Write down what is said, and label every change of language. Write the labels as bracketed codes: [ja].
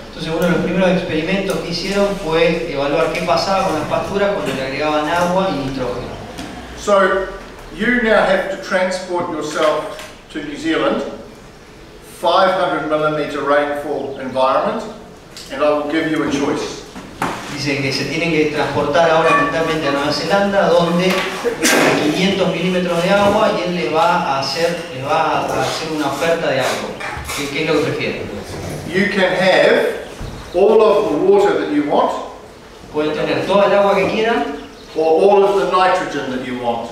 [es] Entonces, uno de los primeros experimentos que hicieron fue evaluar qué pasaba con las pasturas cuando le agregaban agua y nitrógeno. [en] So, you now have to transport yourself to New Zealand. 500 millimeter rainfall environment, and I will give you a choice. [es] Dicen que se tienen que transportar ahora mentalmente a Nueva Zelanda, donde 500 milímetros de agua, y él le va a hacer una oferta de agua. ¿Qué es lo que prefiere? [en] You can have all of the water that you want. [es] Pueden tener toda el agua que quieran. [en] Or all of the nitrogen that you want.